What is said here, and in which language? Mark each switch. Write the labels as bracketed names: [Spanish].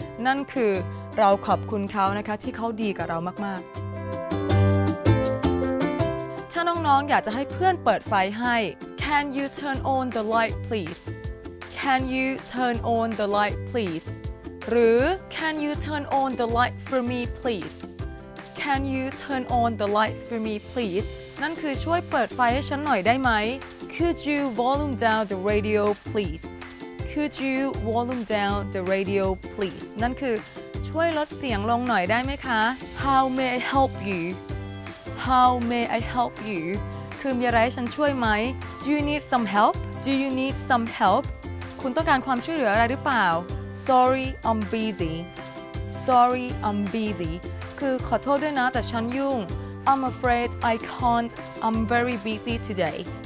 [Thai] นั่นคือเราขอบคุณเขานะคะที่เขาดีกับเรามากๆถ้าน้องๆอยากจะให้เพื่อนเปิดไฟให้ [English] Can you turn on the light, please? Can you turn on the light, please? หรือ Can you turn on the light for me, please? Can you turn on the light for me, please? [Thai] นั่นคือช่วยเปิดไฟให้ฉันหน่อยได้ไหม [English] Could you volume down the radio, please? Could you volume down the radio, please? [Thai] นั่นคือช่วยลดเสียงลงหน่อยได้ไหมคะ [English] How may I help you? How may I help you? [Thai] คือมีอะไรให้ฉันช่วยไหม [English] Do you need some help? Do you need some help? [Thai] คุณต้องการความช่วยเหลืออะไรหรือเปล่า [English] Sorry I'm busy Sorry I'm busy [Thai] คือขอโทษด้วยนะแต่ฉันยุ่ง [English] I'm afraid I can't I'm very busy today